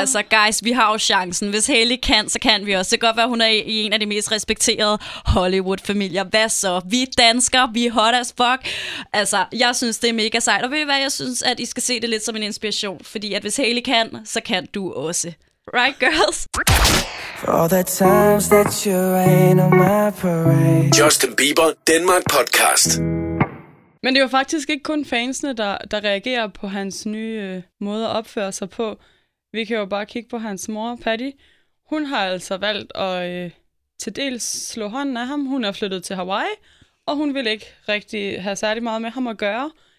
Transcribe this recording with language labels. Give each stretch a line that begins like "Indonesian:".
Danish: Altså, guys, vi har jo chancen. Hvis Haley kan, så kan vi også. Det kan godt være, hun er i en af de mest respekterede Hollywood-familier. Hvad så? Vi danskere, vi er
English: hot as fuck.
Danish: Altså, jeg synes, det er mega sejt. Og ved I hvad? Jeg synes, at I skal se det lidt som en inspiration. Fordi at hvis Haley kan, så kan du også.
English: Right, girls? For all the times that you rain on my parade. Justin Bieber, Denmark Podcast.
Danish: Men det er jo faktisk ikke kun fansene, der reagerer på hans nye måde at opføre sig på. Vi kan jo bare kigge på hans mor, Patty. Hun har altså valgt at til dels slå hånden af ham. Hun er flyttet til Hawaii, og hun vil ikke rigtig have særlig meget med ham at gøre.